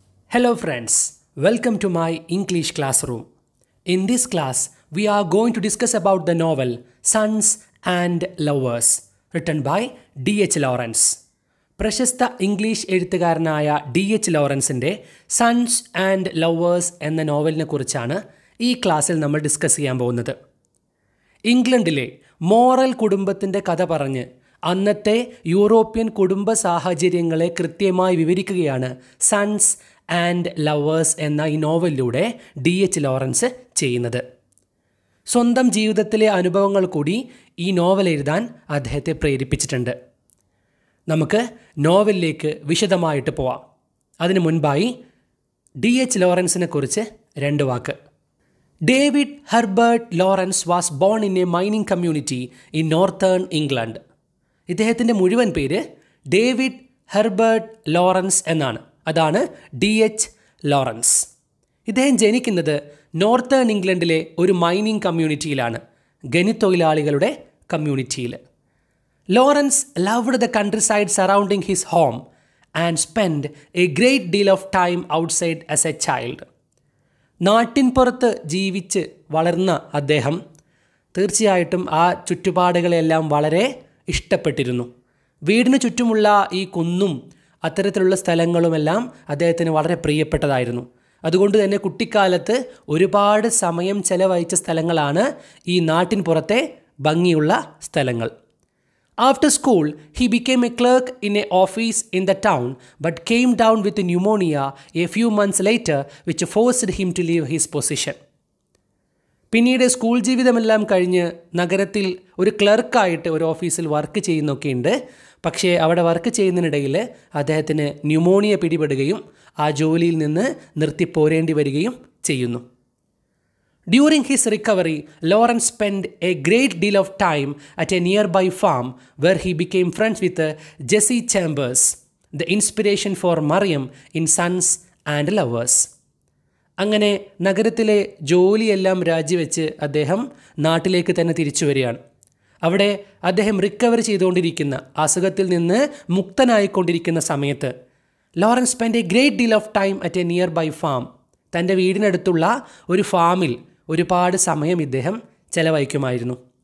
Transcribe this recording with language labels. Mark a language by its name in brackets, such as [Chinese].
[English] Hello friends, welcome to my English classroom. In this class, we are going to discuss about the novel Sons and Lovers, written by D.H. Lawrence. [Malayalam] പ്രശസ്ത English എഴുത്തുകാരനായ D H ലോറൻസിൻ്റെ sons and lovers എന്ന നോവലിനെ കുറിച്ചാണ് ഈ ക്ലാസ്സിൽ നമ്മൾ discuss ചെയ്യാൻ പോകുന്നത്. ഇംഗ്ലണ്ടിലെ മോറൽ കുടുംബത്തിൻ്റെ കഥ പറഞ്ഞ് അന്നത്തെ യൂറോപ്യൻ കുടുംബ സാഹചര്യങ്ങളെ കൃത്യമായി വിവരിക്കുകയാണ് സൺസ് ആൻഡ് ലവേഴ്സ് എന്ന ഈ നോവലിലൂടെ ഡി എച്ച് ലോറൻസ് ചെയ്യുന്നത്. സ്വന്തം ജീവിതത്തിലെ അനുഭവങ്ങൾ കൂടി ഈ നോവൽ എഴുതാൻ അദ്ദേഹത്തെ പ്രേരിപ്പിച്ചിട്ടുണ്ട്. നമുക്ക് നോവലിലേക്ക് വിശദമായിട്ട് പോവാം. അതിന് മുൻപായി ഡി എച്ച് ലോറൻസിനെ കുറിച്ച് രണ്ട് വാക്ക്. [English] David Herbert Lawrence was born in a mining community in northern England. [Malayalam] ഇദ്ദേഹത്തിൻ്റെ മുഴുവൻ പേര് ഡേവിഡ് ഹെർബർട്ട് ലോറൻസ് എന്നാണ്. അതാണ് ഡി എച്ച് ലോറൻസ്. ഇദ്ദേഹം ജനിക്കുന്നത് നോർത്തേൺ ഇംഗ്ലണ്ടിലെ ഒരു മൈനിങ് കമ്മ്യൂണിറ്റിയിലാണ്, ഖനിത്തൊഴിലാളികളുടെ കമ്മ്യൂണിറ്റിയിൽ. [English] Lawrence loved the countryside surrounding his home and spent a great deal of time outside as a child. [Malayalam] നാട്ടിൻ പുറത്ത് ജീവിച്ച് വളർന്ന അദ്ദേഹം തീർച്ചയായിട്ടും ആ ചുറ്റുപാടുകളെല്ലാം വളരെ ഇഷ്ടപ്പെട്ടിരുന്നു. വീടിന് ചുറ്റുമുള്ള ഈ കുന്നും അത്തരത്തിലുള്ള സ്ഥലങ്ങളുമെല്ലാം അദ്ദേഹത്തിന് വളരെ പ്രിയപ്പെട്ടതായിരുന്നു. അതുകൊണ്ട് തന്നെ കുട്ടിക്കാലത്ത് ഒരുപാട് സമയം ചെലവഴിച്ച സ്ഥലങ്ങളാണ് ഈ നാട്ടിൻ പുറത്തെ ഭംഗിയുള്ള സ്ഥലങ്ങൾ. [English] After school, he became a clerk in an office in the town but came down with pneumonia a few months later which forced him to leave his position. [Malayalam] പിന്നീട് സ്കൂൾ ജീവിതമെല്ലാം കഴിഞ്ഞ് നഗരത്തിൽ ഒരു ക്ലർക്കായിട്ട് ഒരു ഓഫീസിൽ വർക്ക് ചെയ്യുന്നൊക്കെയുണ്ട്. പക്ഷേ അവിടെ വർക്ക് ചെയ്യുന്നതിനിടയിൽ അദ്ദേഹത്തിന് pneumonia പിടിപെടുകയും ആ ജോലിയിൽ നിന്ന് നിർത്തിപ്പോരേണ്ടി വരികയും ചെയ്യുന്നു. [English] During his recovery, Lawrence spent a great deal of time at a nearby farm where he became friends with Jesse Chambers, the inspiration for Mariam in Sons and Lovers. [Malayalam] അങ്ങനെ നഗരത്തിലെ ജോലിയെല്ലാം രാജിവെച്ച് അദ്ദേഹം നാട്ടിലേക്ക് തന്നെ തിരിച്ചു വരികയാണ്. അവിടെ അദ്ദേഹം റിക്കവർ ചെയ്തുകൊണ്ടിരിക്കുന്ന, അസുഖത്തിൽ നിന്ന് മുക്തനായിക്കൊണ്ടിരിക്കുന്ന സമയത്ത് Lawrence [English] spend a great deal of time at a near by farm, [Malayalam] തൻ്റെ വീടിനടുത്തുള്ള ഒരു ഫാമിൽ ഒരുപാട് സമയം ഇദ്ദേഹം ചെലവഴിക്കുമായിരുന്നു.